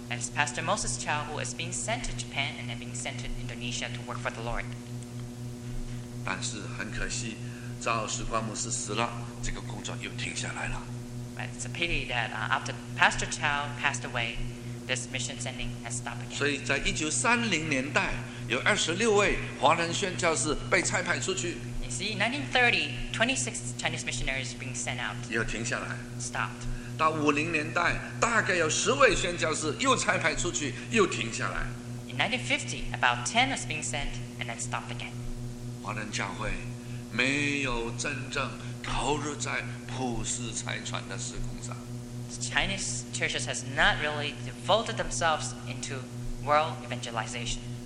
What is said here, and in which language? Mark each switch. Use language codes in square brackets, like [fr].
[en] It's Pastor Moses Chow who is being sent to Japan and then being sent to Indonesia to work for the Lord. [zh] 但是很可惜, 赵世光牧师死了, 这个工作又停下来了. [en] But it's a pity that after Pastor Chow passed away, this mission sending has stopped again. [zh] 所以在1930年代, 有26位华人宣教士被差派出去. [en] You see, in 1930, 26 Chinese missionaries being sent out. [zh] 又停下来. [en] Stopped. [zh] 到50年代, 大概有10位宣教士又差派出去, 又停下来. [en] In 1950, about 10 was being sent and then stopped again. [zh] 华人教会 没有真正投入在普世财传的事工上. [en] Chinese churches has not really devoted themselves into world evangelization.